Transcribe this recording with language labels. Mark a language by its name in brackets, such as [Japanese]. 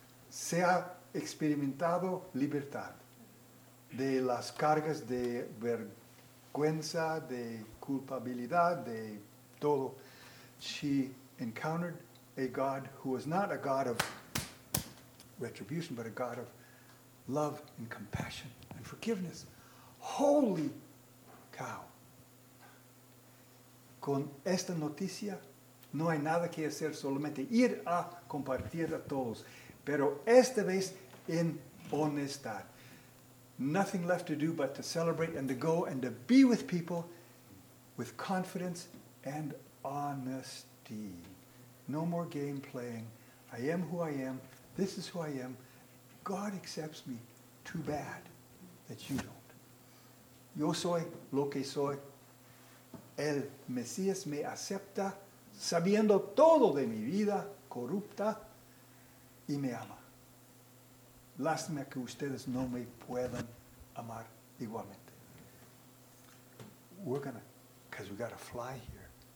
[Spanish] Se ha experimentado libertad de las cargas de vergüenza, de culpabilidad, de todo. [English] She encountered a God who was not a God of retribution, but a God of love and compassion and forgiveness. Holy cow! [Spanish] Con esta noticia, no hay nada que hacer, solamente ir a compartir a todos. Pero esta vez, en honestad. [English] Nothing left to do but to celebrate and to go and to be with people with confidence and honesty. No more game playing. I am who I am. This is who I am. God accepts me. Too bad that you don't. [Spanish] Yo soy lo que soy. El Mesías me acepta sabiendo todo de mi vida corrupta y me ama. Lástima que ustedes no me puedan amar igualmente. [English] We're gonna, because we gotta fly here.